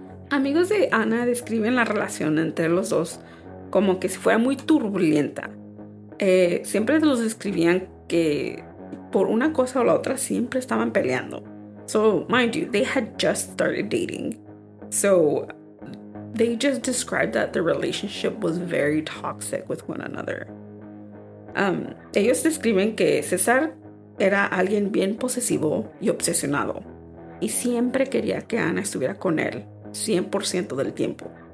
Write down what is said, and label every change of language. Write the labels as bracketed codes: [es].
[es] Amigos de Ana describen la relación entre los dos como que si fuera muy turbulenta. Siempre los describían que por una cosa o la otra siempre estaban peleando. [en] So, mind you, they had just started dating. So, they just described that the relationship was very toxic with one another. [es] Ellos describen que César era alguien bien posesivo y obsesionado. Y siempre quería que Ana estuviera con él 100% del tiempo.